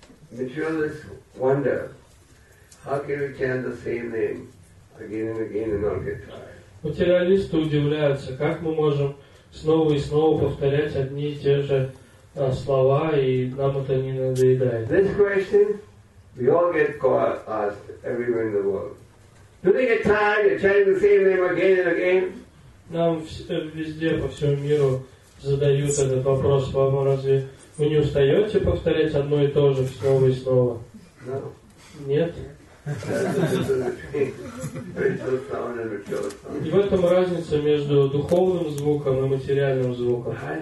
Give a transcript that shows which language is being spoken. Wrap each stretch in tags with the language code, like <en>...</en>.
<ru>Материалисты удивляются, как мы можем снова и снова повторять одни и те же слова, и нам это не надоедает.</ru> <en>This question we all get asked everywhere in the world. Do they get tired of chanting the same name again and again?</en> <ru>Нам везде, по всему миру задают этот вопрос. Вам разве вы не устаете повторять одно и то же снова и снова? Нет. И в этом разница между духовным звуком и материальным звуком.</ru>